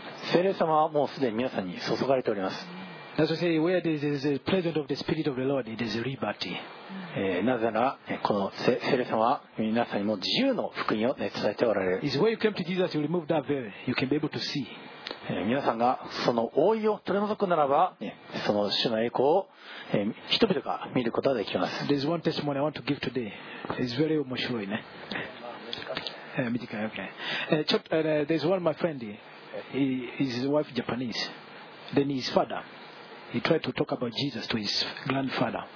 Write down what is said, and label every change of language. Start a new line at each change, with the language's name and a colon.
Japanese: 聖霊様はもうすでに皆さんに注がれております。
English: That's why say, "Where there is a presence of the Spirit of the Lord, there is liberty."
Japanese: なぜならこの聖霊様は皆さんにも自由の福音を、ね、伝えておられる。
English: Is where you came to Jesus, you remove that veil, you can be able to see.
Japanese: 皆さんがその覆いを取り除くならば、ね、その主の栄光を、人々が見ることができます。
English: There's one testimony I want to give today. It's very
Japanese: 面白いね。見てください。Okay.
English: ちょっと、There's one my friend. His wife is Japanese. Then his father. He tried to talk about Jesus to his grandfather.